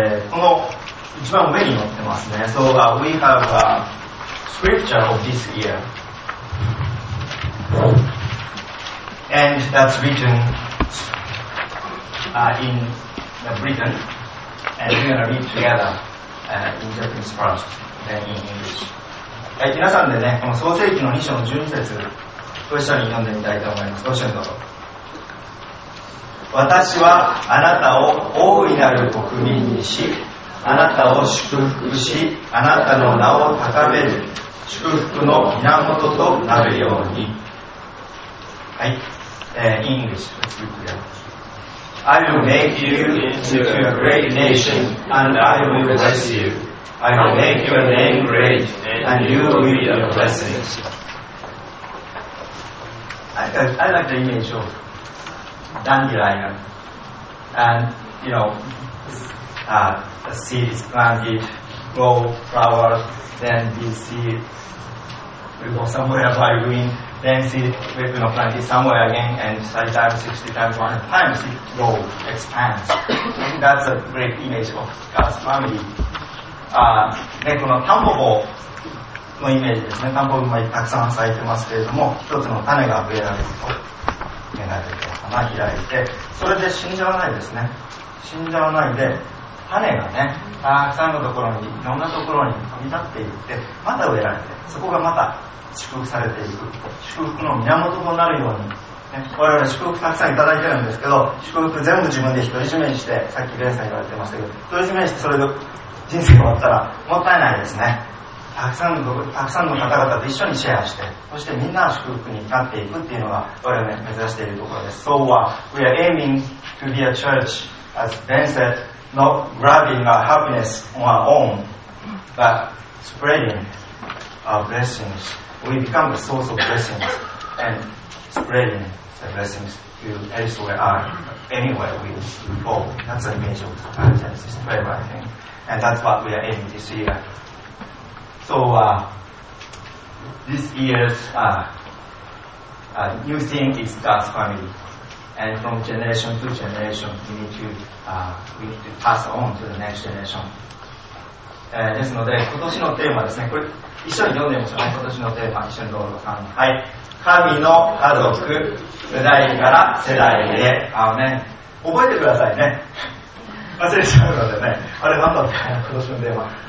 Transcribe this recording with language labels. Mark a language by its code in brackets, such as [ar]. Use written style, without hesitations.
[ja] この一番上に載ってますね。 [en] So we have a scripture of this year and that's written in the Britain and we're going to read together in Japanese first then in English。 [ja] はい、皆さんでね、この創世記の2章の12節、ご一緒に読んでみたいと思います。ご一緒にどうぞ。私はあなたを大いなる国民にし、あなたを祝福し、あなたの名を高める、祝福の源となるように。 [en] はい、English let's read together。 I will make you into a great nation, and I will bless you. I will make your name great and you will be a blessing. I like the image of dandelion. And, you know, the seed is planted, grow flowers, then this seed will go somewhere by wind, then seed will be planted somewhere again, and 30 times, 60 times, 100 times it grows, expands. That's a great image of God's family. [ja] でこのタンポポのイメージですね。タンポポもたくさん咲いてますけれども、一つの種が植えられると芽が出て花開いて、それで死んじゃわないですね。死んじゃわないで種がねたくさんのところにいろんなところに飛び立っていって、また植えられて、そこがまた祝福されていく、祝福の源となるように、ね、我々祝福たくさんいただいてるんですけど、祝福全部自分で独り占めにして、さっき蓮さん言われてましたけど、独り占めにしてそれで人生が終わったらもったいないですね。たくさんの方々と一緒にシェアして、そしてみんな祝福になっていくっていうのが我々、ね、目指しているところです。 [en] So we are aiming to be a church, as Ben said, not grabbing our happiness on our own, but spreading our blessings. We become the source of blessings and spreading the blessings to elsewhere are anywhere we go. That's the image of the church. It's very bad thingAnd that's what we are aiming this year. So, this year's new thing is God's family. And from generation to generation, we need to pass on to the next generation. [ja] ですので、今年のテーマですね。これ、一緒に読んでみましょう。今年のテーマ、一緒にどうぞ。はい。神の家族、世代から世代へ。アーメン。覚えてくださいね。忘れちゃうのでね。あれ、なんだって、今年のテーマ。